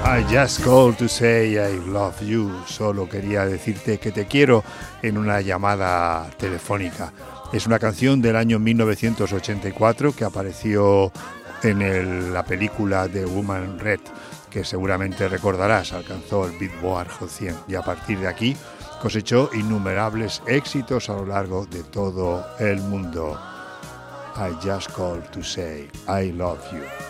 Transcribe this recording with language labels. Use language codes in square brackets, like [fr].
[en] Just call to say I love you. [es] Solo quería decirte que te quiero en una llamada telefónica. Es una canción del año 1984 que apareció en la película The Woman Red, que seguramente recordarás, alcanzó el Billboard Hot 100 y a partir de aquí cosechó innumerables éxitos a lo largo de todo el mundo. [en] I just call to say I love you.